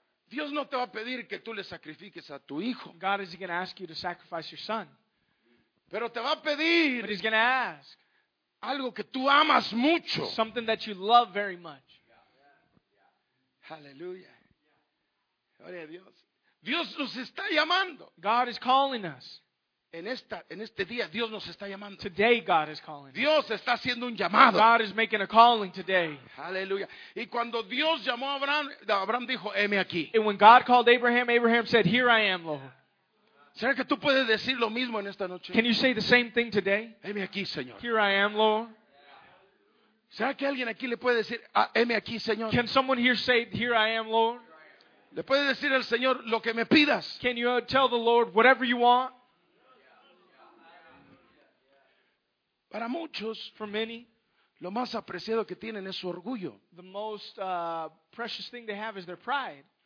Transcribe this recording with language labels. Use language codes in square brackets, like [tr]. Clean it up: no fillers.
[es] Dios no te va a pedir que tú le sacrifiques a tu hijo. [en] God is going to ask you to sacrifice your son. [es] Pero te va a pedir, [en] but he's going to ask, [es] algo que tú amas mucho. [en] Something that you love very much. [es] Aleluya. Gloria a Dios. Dios nos está llamando. [en] God is calling us. [es] En este día Dios nos está llamando. [en] Today God is calling. [es] Dios está haciendo un llamado. [en] God is making a calling today. Aleluya. [es] Y cuando Dios llamó a Abraham, Abraham dijo, "Heme aquí." [en] And when God called Abraham, Abraham said, "Here I am, Lord." [es] ¿Será que tú puedes decir lo mismo en esta noche? [en] Can you say the same thing today? [es] "Heme aquí, Señor." [en] Here I am, Lord. [es] ¿Será que alguien aquí le puede decir, "Heme aquí, Señor"? [en] Can someone here say, "Here I am, Lord"? [es] ¿Le puedes decir al Señor lo que me pidas? [en] Can you tell the Lord whatever you want? [es] Para muchos, [en] for many, [es] lo más apreciado que tienen es su orgullo. [en] The most precious thing they have is their pride.